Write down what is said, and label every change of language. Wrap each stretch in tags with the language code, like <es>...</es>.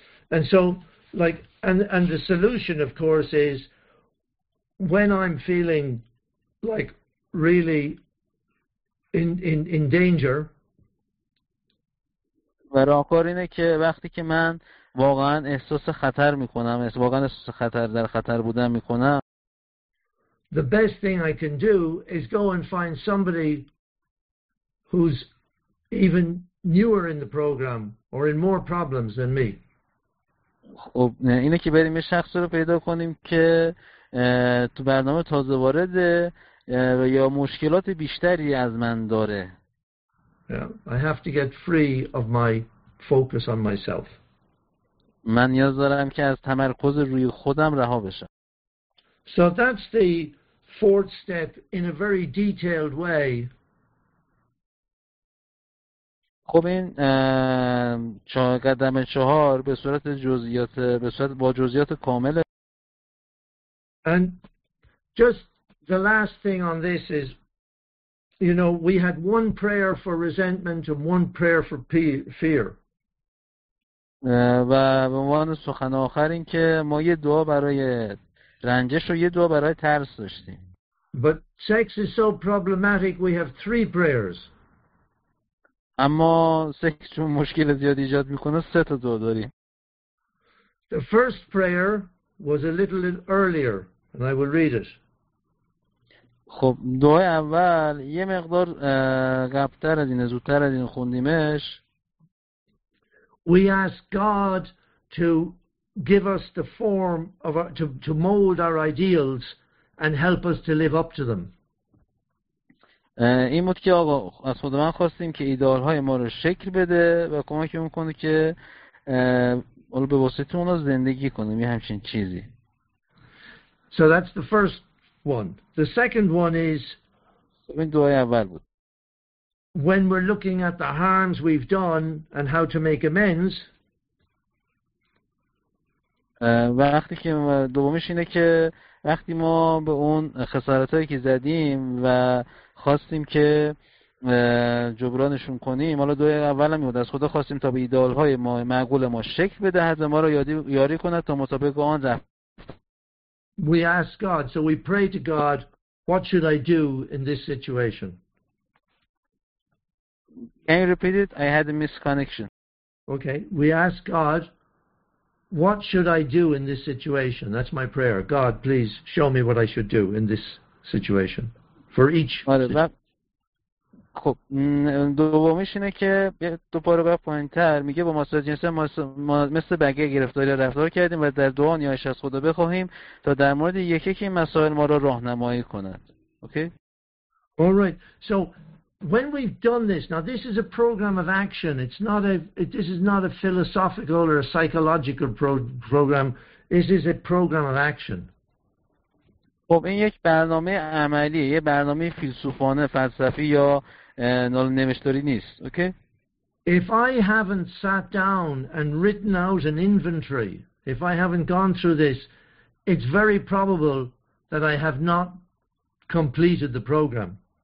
<en>And so like and the solution of course is when I'm feeling like really in danger.</en> <fa>و راهکار اینه که وقتی که من واقعا احساس خطر میکنم واقعا احساس خطر در خطر بودن میکنم</fa> <en>the best thing I can do is go and find somebody who's even newer in the program or in more problems than me.</en> <fa>خب اینه که بریم یه شخص رو پیدا کنیم که تو برنامه تازه وارد و یا مشکلات بیشتری از من داره.</fa> <en>Yeah, I have to get free of my focus on myself.</en> <fa>من نیاز دارم که از تمرکز روی خودم رها بشم.</fa> <en>So that's the fourth step in a very detailed way.</en> <fa>خب این قدم چهار به صورت جزئیات به صورت با جزئیات کامل.</fa> <en>And just the last thing on this is, you know, we had one prayer for resentment and one prayer for fear.</en> <fa>و به عنوان سخن آخر این که ما یه دعا برای رنجش و یه دعا برای ترس داشتیم.</fa> <en>But sex is so problematic, we have three prayers.</en> <fa>اما سکس چون مشکل زیاد ایجاد میکنه سه تا دعا داریم.</fa> <en>The first prayer was a little earlier. And I will read it.</en> <fa>خب دعای اول یه مقدار قبل‌تر از این زودتر از این خوندیمش.</fa> <en>We ask God to give us the form of our, to mold our ideals and help us to live up to them.</en> <fa>این بود که آقا از خود من خواستیم که ایدئال های ما رو شکل بده و کمک میکنه که به واسطه اون رو زندگی کنیم، یه همچین چیزی.</fa> <en>So that's the first one. The second one is</en> <fa>این دعای اول بود.</fa> <en>When we're looking at the harms we've done and how to make amends.</en> <fa>وقتی که دومیش اینه که وقتی ما به اون خسارتایی که زدیم و خواستیم که جبرانشون کنیم، حالا دو اول هم از خدا خواستیم تا به ایدئال های ما معقول ما شکل بدهد و ما را یاری کند تا مطابق آن رفت.</fa> <en>We ask God, so we pray to God, what should I do in this situation? Can you repeat it? I had a misconnection. Okay, we ask God, what should I do in this situation? That's my prayer. God, please show me what I should do in this situation. For each.</en> <fa>خب دومیش اینه که دو پاره بعد پوینتر میگه با مسائل جنسی مثل بقیه گرفتاری رفتار کردیم و در دعا نیایش از خدا بخواهیم تا در مورد یکی که این مسائل ما را راهنمایی کند. اوکی؟</fa> <en>All right. So when we've done this, now this is a program of action. This is not a philosophical or a psychological program. This is a program of action.</en> <fa>خب این یک برنامه عملیه، یک برنامه فیلسوفانه، فلسفی یا نال نوشتاری نیست. اوکی؟</fa> <en>If I haven't sat down and written out an inventory, if I haven't gone through this, it's very probable that I have not completed the program.</en>